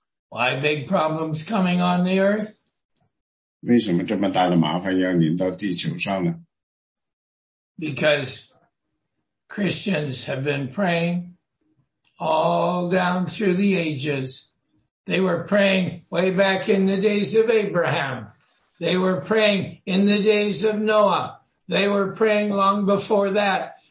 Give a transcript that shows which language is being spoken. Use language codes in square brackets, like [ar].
[en] Why big problems coming on the earth? [zh] 为什么这么大的麻烦要临到地球上呢? [en] Because Christians have been praying all down through the ages. They were praying way back in the days of Abraham. They were praying in the days of Noah. They were praying long before that.